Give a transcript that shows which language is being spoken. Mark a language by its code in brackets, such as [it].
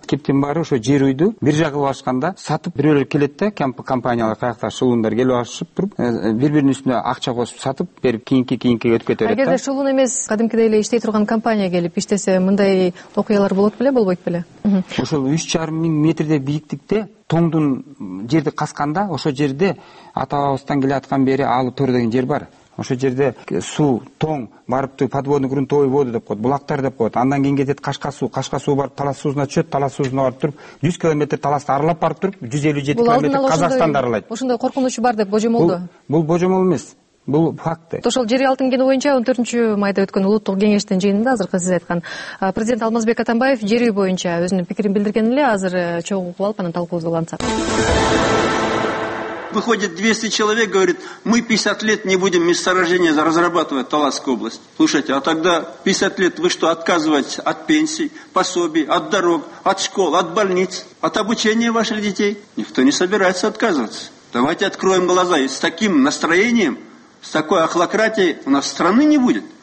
[ky] Кептин баары ошо жер үйдү бир жагы кылып алышканда сатып бирөөлөр келет да, компаниялар каякта шылуундар келип алышып туруп бир биринин үстүнө акча косуп сатып берип кийинкиге өтүп кете берет. Эгерде шылуун эмес кадимкидей эле иштей турган компания келип иштесе мындай окуялар болот беле, болбойт беле? Ошол 3,5 метрдей бийиктикте тоңдун жерди касканда ошол жерде ата бабабыздан келаткан бери алып төрө деген жер бар. Ошо жерде суу тоң барыпты, подводный грунтовый воды деп коет, булактар деп коет. Андан кийин кетет Кашка суу, Кашка суу барып Талас суусуна түшөт, Талас суусуна барып туруп 100 километр Таласты аралап барып туруп 157 километр Казакстанды аралайт. Ошондой коркунучу бар деп божомолдо. Бул божомол эмес, бул факт. Ошол жер алтын кени боюнча 14 майда өткөн улуттук кеңештин жыйынында азыркы сиз айткан президент Алмазбек Атамбаев жер үй боюнча өзүнүн пикирин билдирген эле азыр чогуу алып анан талкуубузду улантсак. [ru] Выходит 200 человек, говорит, мы 50 лет не будем месторождение разрабатывать, Таласскую область. Слушайте, а тогда 50 лет вы что, отказываетесь от пенсий, пособий, от дорог, от школ, от больниц, от обучения ваших детей? Никто не собирается отказываться. Давайте откроем глаза, и с таким настроением, с такой охлократией у нас страны не будет.